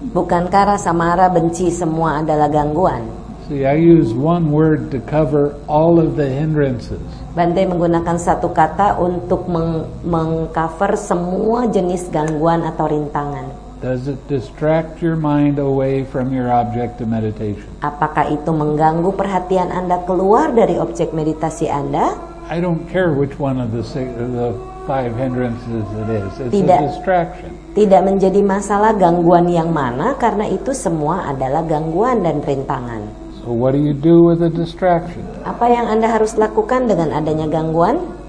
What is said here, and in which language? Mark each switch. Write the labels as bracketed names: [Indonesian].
[Indonesian] Bukankah rasa marah, benci semua adalah gangguan? [English] See, I use one word to cover all of the hindrances. [Indonesian] Bante menggunakan satu kata untuk meng-cover semua jenis gangguan atau rintangan. [English] Does it distract your mind away from your object of meditation? [Indonesian] Apakah itu mengganggu perhatian Anda keluar dari objek meditasi Anda? [English] I don't care which one of the five hindrances it is. It's a distraction. [Indonesian] Tidak menjadi masalah gangguan yang mana, karena itu semua adalah gangguan dan rintangan. [English] So what do you do with a distraction? [Indonesian] Apa yang Anda harus lakukan dengan adanya gangguan?